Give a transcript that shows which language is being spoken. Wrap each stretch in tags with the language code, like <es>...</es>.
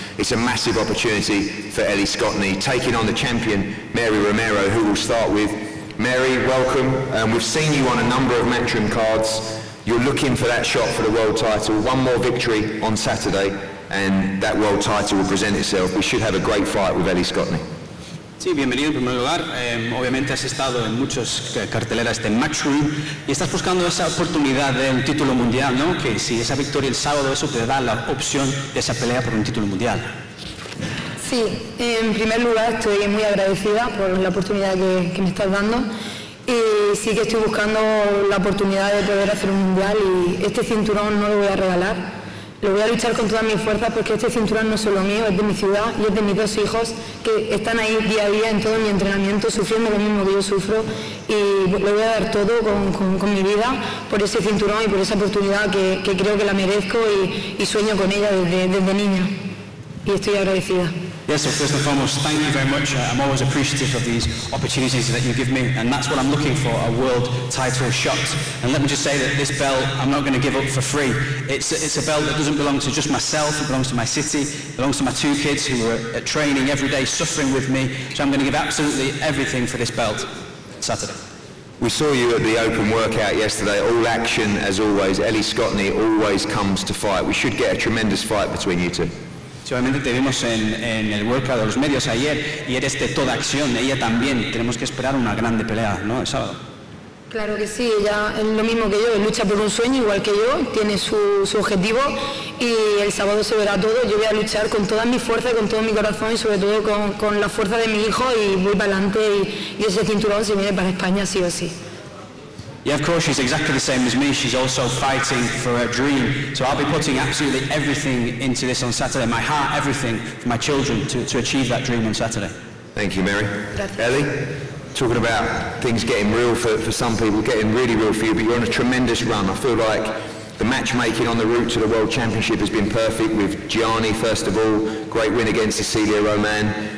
<en>It's a massive opportunity for Ellie Scottney taking on the champion Mary Romero, who we'll start with. Mary, welcome. We've seen you on a number of Matchroom cards. You're looking for that shot for the world title. One more victory on Saturday and that world title will present itself. We should have a great fight with Ellie Scottney.</en> <es>Sí, bienvenido en primer lugar. Obviamente has estado en muchas carteleras de Matchroom y estás buscando esa oportunidad de un título mundial, ¿no? Que si esa victoria el sábado, eso te da la opción de esa pelea por un título mundial. Sí, en primer lugar estoy muy agradecida por la oportunidad que me estás dando. Y sí que estoy buscando la oportunidad de poder hacer un mundial y este cinturón no lo voy a regalar. Lo voy a luchar con todas mis fuerzas porque este cinturón no es solo mío, es de mi ciudad y es de mis dos hijos que están ahí día a día en todo mi entrenamiento sufriendo lo mismo que yo sufro. Y lo voy a dar todo con mi vida por ese cinturón y por esa oportunidad que creo que la merezco y sueño con ella desde niña. Y estoy agradecida.</es> <en>Yes, so first and foremost, thank you very much. I'm always appreciative of these opportunities that you give me, and that's what I'm looking for, a world title shot. And let me just say that this belt, I'm not going to give up for free. It's a belt that doesn't belong to just myself, it belongs to my city, it belongs to my two kids who are at training every day, suffering with me, so I'm going to give absolutely everything for this belt Saturday. We saw you at the open workout yesterday, all action as always. Ellie Scottney always comes to fight. We should get a tremendous fight between you two.</en> <es>Obviamente te vimos en el workout de los medios ayer y eres de toda acción, ella también. Tenemos que esperar una grande pelea, ¿no? El sábado. Claro que sí, ella es lo mismo que yo, lucha por un sueño igual que yo, tiene su objetivo y el sábado se verá todo. Yo voy a luchar con toda mi fuerza y con todo mi corazón y sobre todo con la fuerza de mi hijo y voy para adelante y ese cinturón se viene para España sí o sí.</es> <en>Yeah, of course, she's exactly the same as me. She's also fighting for her dream. So I'll be putting absolutely everything into this on Saturday. My heart, everything for my children to achieve that dream on Saturday. Thank you, Mary.</en> <es>Gracias.</es> <en>Ellie, talking about things getting real for some people, getting really real for you, but you're on a tremendous run. I feel like the matchmaking on the route to the World Championship has been perfect with Gianni, first of all, great win against Cecilia Romain.</en>